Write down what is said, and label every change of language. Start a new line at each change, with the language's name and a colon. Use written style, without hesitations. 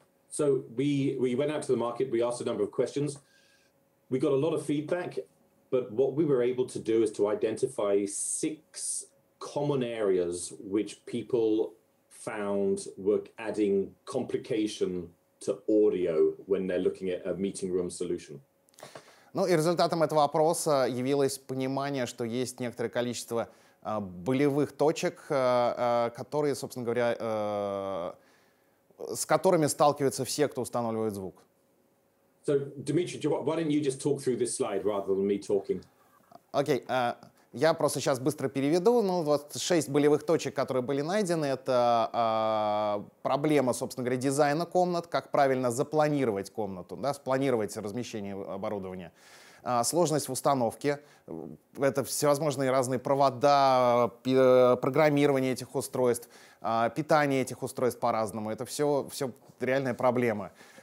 English: So we went out to the market, we asked a number of questions. We got a lot of feedback, but what we were able to do is to identify six common areas which people found were adding complication to audio when they're looking at a meeting room solution.
Russian: Ну и результатом этого опроса явилось понимание, что есть некоторое количество болевых точек, которые, собственно говоря, с которыми сталкиваются все, кто устанавливает звук.
English: So, Dimitri, why don't you just talk through this slide rather than me talking?
Russian: Окей, я просто сейчас быстро переведу. Ну, вот шесть болевых точек, которые были найдены, это проблема, собственно говоря, дизайна комнат, как правильно запланировать комнату, да, спланировать размещение оборудования. Сложность в установке, это всевозможные разные провода, программирование этих устройств, питание этих устройств по-разному, это все реальная проблема.